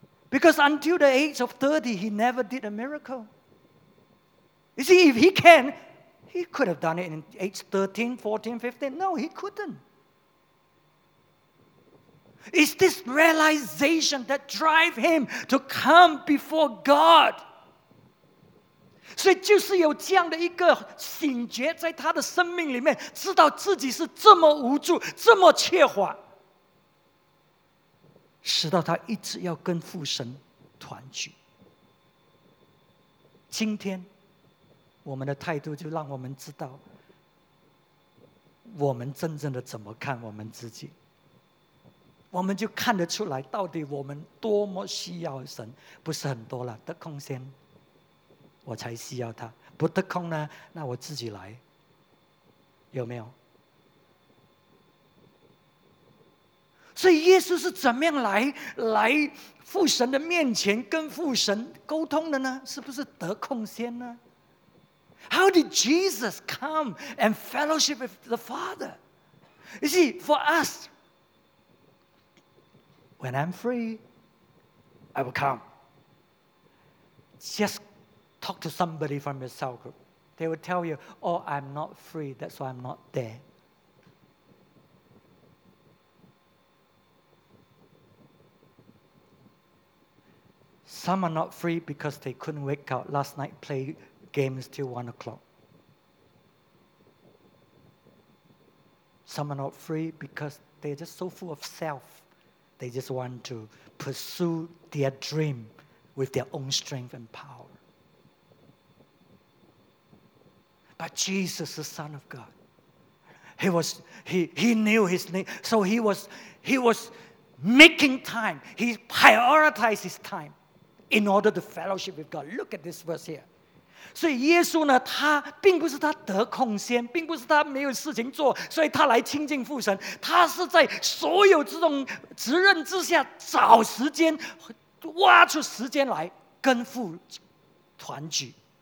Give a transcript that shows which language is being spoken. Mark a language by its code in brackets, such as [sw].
[en] Because until the age of 30, he never did a miracle. You see, if he can, he could have done it in age 13, 14, 15. No, he couldn't. It's this realization that drives him to come before God. [zh] 所以就是有这样的一个醒觉在他的生命里面，知道自己是这么无助，这么怯滑，使到他一直要跟父神团聚。今天我们的态度就让我们知道我们真正的怎么看我们自己，我们就看得出来到底我们多么需要神。不是很多了，得空先我才需要他，不得空呢，那我自己来，有没有？所以耶稣是怎么样来父神的面前跟父神沟通的呢？是不是得空先呢？ [en] How did Jesus come and fellowship with the Father? You see, for us, when I'm free, I will come. Just talk to somebody from your cell group. They will tell you, oh, I'm not free, that's why I'm not there. Some are not free because they couldn't wake up last night, play games till 1 o'clock. Some are not free because they're just so full of self. They just want to pursue their dream with their own strength and power. But Jesus, the Son of God, he knew his name. So he was making time. He prioritized his time in order to fellowship with God. Look at this verse here. [zh] 所以耶稣呢，他并不是他得空先，并不是他没有事情做，所以他来亲近父神。他是在所有这种责任之下，找时间，挖出时间来跟父团聚。